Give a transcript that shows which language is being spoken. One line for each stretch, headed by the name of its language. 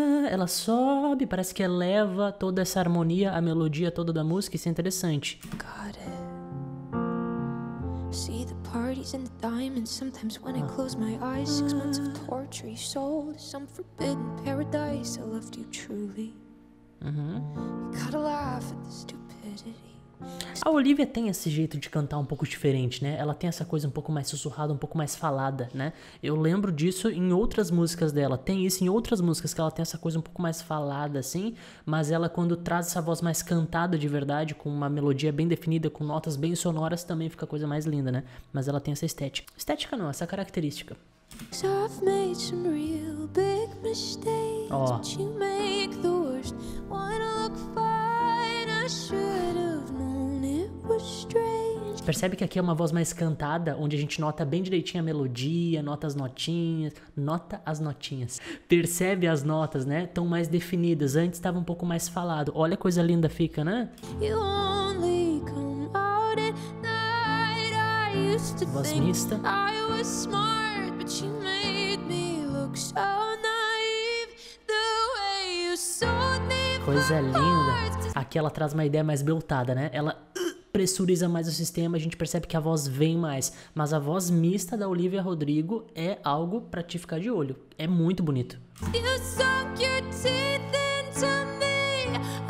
Portuguese: Ela sobe, parece que eleva toda essa harmonia, a melodia toda da música. Isso é interessante.
English: See the parties and the diamonds. Sometimes when I close my eyes, 6 months of torture you sold. Some forbidden paradise. I loved you truly. You gotta laugh at the stupidity.
Portuguese: A Olivia tem esse jeito de cantar um pouco diferente, né? Ela tem essa coisa um pouco mais sussurrada, um pouco mais falada, né? Eu lembro disso em outras músicas dela. Tem isso em outras músicas que ela tem essa coisa um pouco mais falada, assim. Mas ela, quando traz essa voz mais cantada de verdade, com uma melodia bem definida, com notas bem sonoras, também fica coisa mais linda, né? Mas ela tem essa estética. Estética não, essa característica.
English: I've made some real big mistakes,
Portuguese: Ó.
English: but you make the worst wanna look fine. I should have known it was strange.
Portuguese: Percebe que aqui é uma voz mais cantada, onde a gente nota bem direitinho a melodia, nota as notinhas, nota as notinhas. Percebe as notas, né? Estão mais definidas. Antes estava um pouco mais falado. Olha a coisa linda fica, né?
English: You only come out at night. I used to
Portuguese: Voz
English: think
Portuguese: mista.
English: I was smart. But you made me look so naive. The way you sold me
Portuguese: Coisa linda.
English: for parts.
Portuguese: Aqui ela traz uma ideia mais belltada, né? Ela pressuriza mais o sistema, a gente percebe que a voz vem mais. Mas a voz mista da Olivia Rodrigo é algo pra te ficar de olho. É muito bonito.
English: You sunk your teeth into me.